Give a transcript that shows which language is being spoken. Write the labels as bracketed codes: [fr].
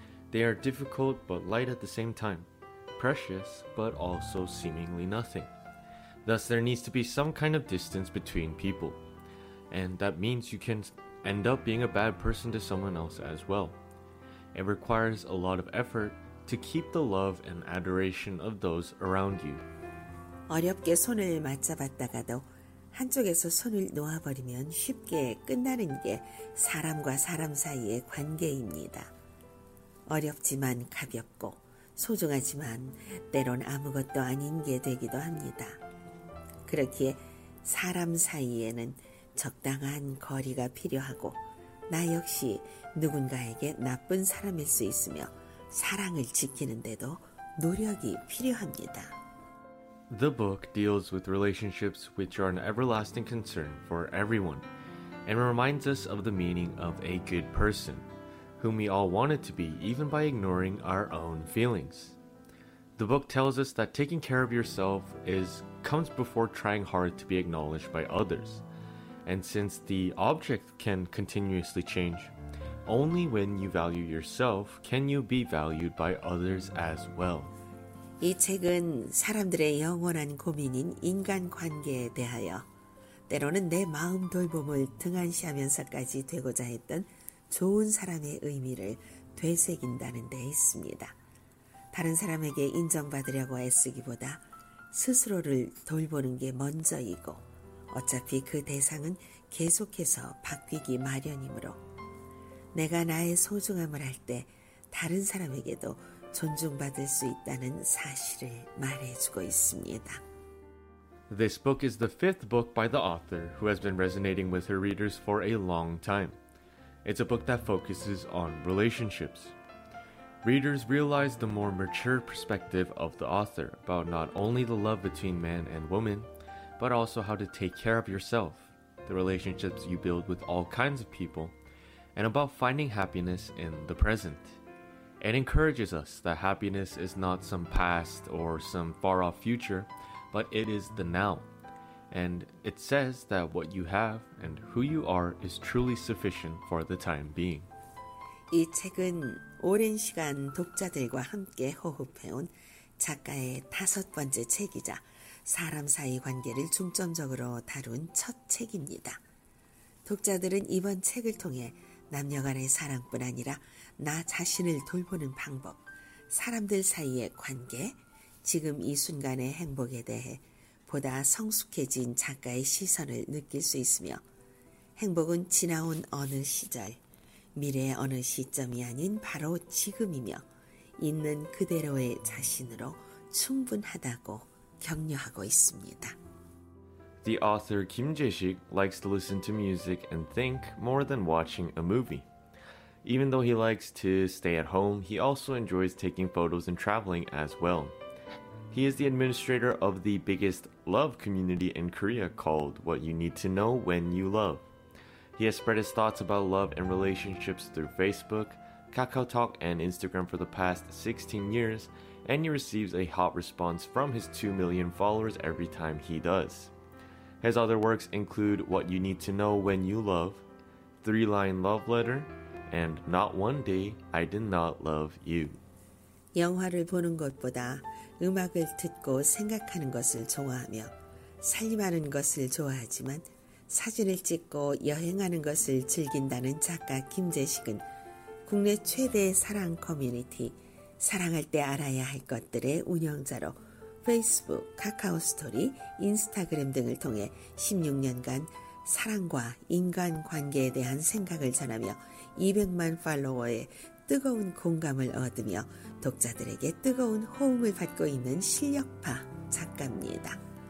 [en] They are difficult but light at the same time, precious but also seemingly nothing. Thus, there needs to be some kind of distance between people. And that means you can end up being a bad person to someone else as well. It requires a lot of effort to keep the love and adoration of those around you. [ko] 어렵게 손을 맞잡았다가도 한쪽에서 손을 놓아버리면 쉽게 끝나는 게 사람과 사람 사이의 관계입니다. 어렵지만 가볍고 소중하지만 때론 아무것도 아닌 게 되기도 합니다. 그렇기에 사람 사이에는 적당한 거리가 필요하고 나 역시 누군가에게 나쁜 사람일 수 있으며 사랑을 지키는데도 노력이 필요합니다. [en] The book deals with relationships which are an everlasting concern for everyone, and reminds us of the meaning of a good person, whom we all wanted to be even by ignoring our own feelings. The book tells us that taking care of yourself comes before trying hard to be acknowledged by others, and since the object can continuously change, only when you value yourself can you be valued by others as well. [ko] 이 책은 사람들의 영원한 고민인 인간관계에 대하여 때로는 내 마음 돌봄을 등한시하면서까지 되고자 했던 좋은 사람의 의미를 되새긴다는 데 있습니다. 다른 사람에게 인정받으려고 애쓰기보다 스스로를 돌보는 게 먼저이고 어차피 그 대상은 계속해서 바뀌기 마련이므로 내가 나의 소중함을 알 때 다른 사람에게도 존중받을 수 있다는 사실을 말해주고 있습니다. [en] This book is the fifth book by the author who has been resonating with her readers for a long time. It's a book that focuses on relationships. Readers realize the more mature perspective of the author about not only the love between man and woman, but also how to take care of yourself, the relationships you build with all kinds of people, and about finding happiness in the present. It encourages us that happiness is not some past or some far-off future, but it is the now. And it says that what you have and who you are is truly sufficient for the time being. [ko] 이 책은 오랜 시간 독자들과 함께 호흡해온 작가의 다섯 번째 책이자 사람 사이 관계를 중점적으로 다룬 첫 책입니다. 독자들은 이번 책을 통해 남녀간의 사랑뿐 아니라 나 자신을 돌보는 방법, 사람들 사이의 관계, 지금 이 순간의 행복에 대해 보다 성숙해진 작가의 시선을 느낄 수 있으며 행복은 지나온 어느 시절, 미래의 어느 시점이 아닌 바로 지금이며 있는 그대로의 자신으로 충분하다고 격려하고 있습니다. [en] The author Kim Jae-sik likes to listen to music and think more than watching a movie. Even though he likes to stay at home, he also enjoys taking photos and traveling as well. He is the administrator of the biggest love community in Korea called What You Need to Know When You Love. He has spread his thoughts about love and relationships through Facebook, KakaoTalk, and Instagram for the past 16 years, and he receives a hot response from his 2 million followers every time he does. His other works include What You Need to Know When You Love, Three Line Love Letter, and Not One Day I Did Not Love You. [ko] 영화를 보는 것보다 음악을 듣고 생각하는 것을 좋아하며 살림하는 것을 좋아하지만 사진을 찍고 여행하는 것을 즐긴다는 작가 김재식은 국내 최대 사랑 커뮤니티 사랑할 때 알아야 할 것들의 운영자로 페이스북, 카카오 스토리, 인스타그램 등을 통해 16년간 사랑과 인간관계에 대한 생각을 전하며 200만 팔로워의 뜨거운 공감을 얻으며 독자들에게 뜨거운 호응을 받고 있는 실력파 작가입니다.